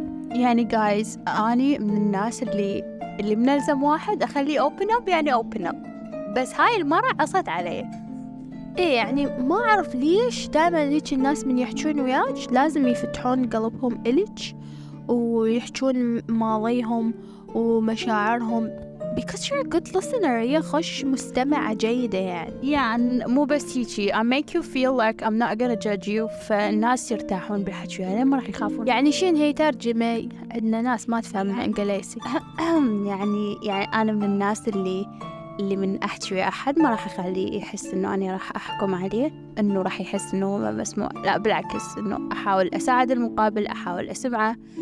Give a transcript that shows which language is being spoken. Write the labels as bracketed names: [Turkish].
[Arabic] يعني جايز اني من الناس اللي منلزم واحد اخليه [English] open up, [Arabic] يعني اوبن اب، بس هاي المره قصت علي. ايه يعني ما اعرف ليش دائما ليش الناس من يحكون وياك لازم يفتحون قلبهم اليك ويحكون ماضيهم ومشاعرهم. [English] Because you're a good listener. [Arabic] يا خوش مستمعة جيدة يعني. يعني مو بس هيجي. [English] I make you feel like I'm not gonna judge you. [Arabic] فالناس يرتاحون بحكي يعني ما رح يخافون. يعني شين هي ترجمة ان ناس ما تفهم انجليزي. يعني انا من الناس اللي من احكي ويا احد ما رح اخليه يحس انه انا رح احكم عليه، انه رح يحس انه ما بسمع. لا بالعكس، انه احاول اساعد المقابل، احاول اسمعه.